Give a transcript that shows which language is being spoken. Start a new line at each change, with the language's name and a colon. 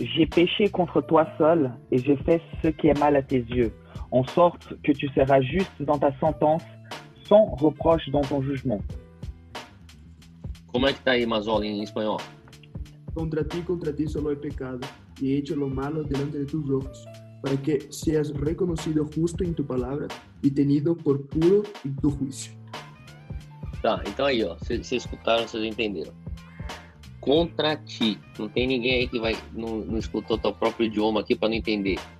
French: J'ai péché contre toi seul et j'ai fait ce qui est mal à tes yeux, en sorte que tu seras juste dans ta sentence, sans reproche dans ton jugement.
Portuguese: Como é que tá aí, Mazola, em espanhol?
Spanish: Contra ti solo he pecado y he hecho lo malo delante de tus ojos, para que seas reconocido justo en tu palabra y tenido por puro en tu juicio.
Portuguese: Tá, então aí, ó, vocês escutaram, vocês entenderam.
Spanish: Contra ti,
Portuguese: não tem ninguém aí que vai, não escutou teu próprio idioma aqui para não entender.